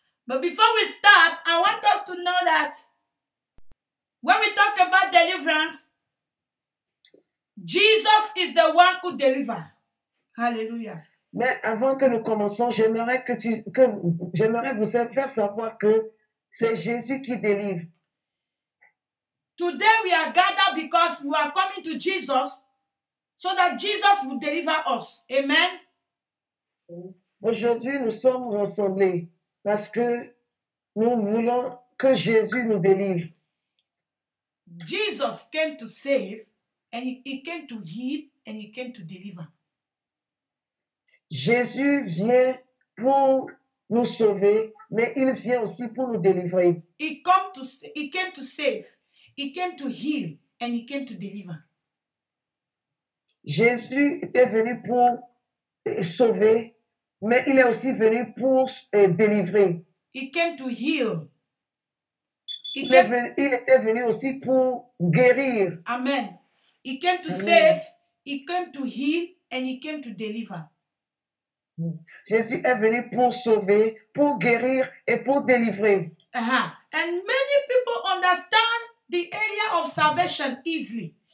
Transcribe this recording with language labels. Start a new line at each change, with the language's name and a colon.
English: But before we start, I want us to know that when we talk about deliverance, Jesus is the one who delivers. Hallelujah.
French: Mais avant que nous commençons, j'aimerais vous faire savoir que c'est Jésus qui délivre.
English: Today we are gathered because we are coming to Jesus so that Jesus will deliver us. Amen.
French: Aujourd'hui, nous sommes rassemblés parce que nous voulons que Jésus nous délivre.
English: Jesus came to save and he came to heal and he came to deliver.
French: Jésus vient pour nous sauver, mais il vient aussi pour nous délivrer.
English: He came to save. He came to heal and he came to deliver.
French: Jésus est venu pour sauver, mais il est aussi venu pour délivrer.
English: He came to heal.
French: Il était venu aussi pour guérir.
English: Amen. He came to save, he came to heal and he came to deliver.
French: Jésus est venu pour sauver, pour guérir et pour délivrer.
English: And many people understand the area of salvation easily.